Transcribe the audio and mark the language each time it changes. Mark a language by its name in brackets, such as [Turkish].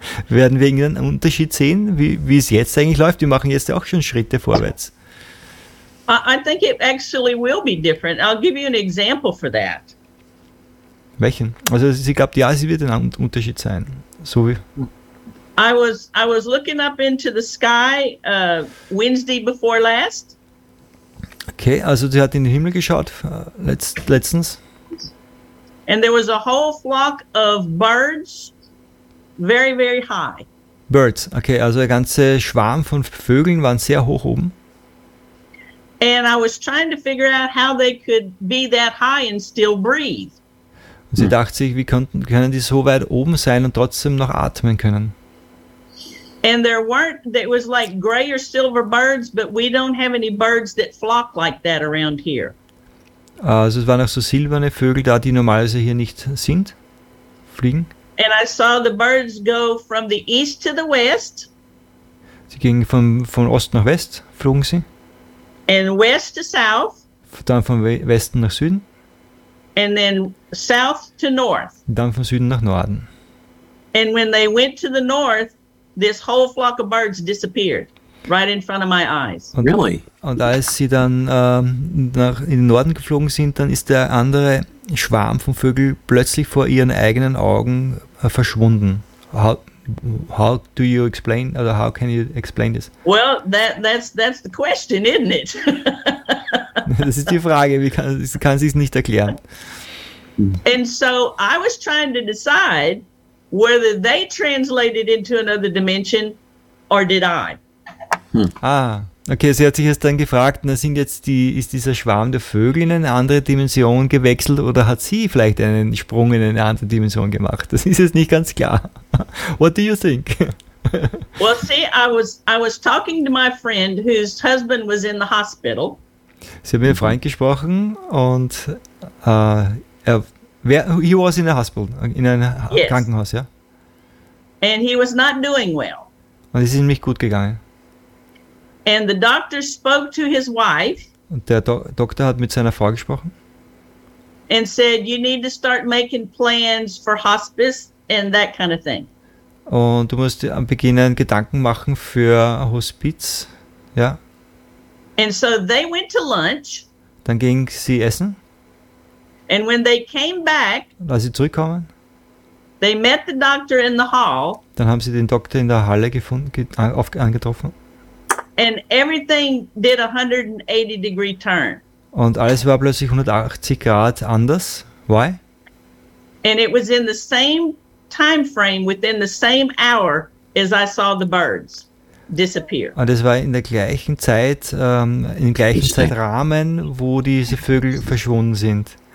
[German] Werden wir irgendeinen Unterschied sehen, wie es jetzt eigentlich läuft? Wir machen jetzt auch schon Schritte vorwärts. [English] I think it actually will be different. I'll give you an example for that. [German] Welchen? Also sie gab ja, sie wird ein Unterschied sein. So wie. [English] I was looking up into the sky Wednesday before last. [German] Okay, also sie hat in den Himmel geschaut letztens. [English] And there was a whole flock of birds, very, very high. [German] Birds, okay, also ein ganzer Schwarm von Vögeln waren sehr hoch oben. [English] And I was trying to figure out how they could be that high and still breathe. [German] Und sie dachte sich, wie können die so weit oben sein und trotzdem noch atmen können? [English] And there weren't, it was like gray or silver birds, but we don't have any birds that flock like that around here. [German] Also es waren auch so silberne Vögel da, die normalerweise hier nicht sind, fliegen. [English] And I saw the birds go from the east to the west. [German] Sie gingen von Ost nach West, flogen sie. [English] And west to south. [German] Dann von Westen nach Süden. [English] And then south to north. [German] Dann von Süden nach Norden. [English] And when they went to the north, this whole flock of birds disappeared right in front of my eyes. Really? [German] Und als sie dann nach in den Norden geflogen sind, dann ist der andere Schwarm von Vögeln plötzlich vor ihren eigenen Augen verschwunden. [English] How do you explain, or how can you explain this? Well, that's the question, isn't it? [German] Das ist die Frage, wie kann sie es nicht erklären? [English] And so I was trying to decide whether they translated into another dimension or did I. [German] Ah, okay, sie hat sich erst dann gefragt, na, sind jetzt ist dieser Schwarm der Vögel in eine andere Dimension gewechselt oder hat sie vielleicht einen Sprung in eine andere Dimension gemacht? Das ist jetzt nicht ganz klar. [English] What do you think? Well, see, I was talking to my friend whose husband was in the hospital. [German] Sie hat mit einem Freund gesprochen und [English] he was in a hospital, in a yes. [German] Krankenhaus, ja. [English] And he was not doing well. [German] Und es ist ihm nicht gut gegangen. [English] And the doctor spoke to his wife. [German] Und der Doktor hat mit seiner Frau gesprochen. [English] And said, you need to start making plans for hospice and that kind of thing. [German] Und du musst am Beginn einen Gedanken machen für Hospiz, ja. [English] And so they went to lunch. [German] Dann ging sie essen. [English] And when they came back, [German] als sie zurückkommen, [English] they met the doctor in the hall. [German] Dann haben sie den Doktor in der Halle gefunden, angetroffen. [English] And everything did a 180 degree turn. [German] Und alles war plötzlich 180 Grad anders. [English] Why? And it was in the same time frame, within the same hour, as I saw the birds disappear. [German] Und es war in der gleichen Zeit, im gleichen Zeitrahmen, wo diese Vögel verschwunden sind.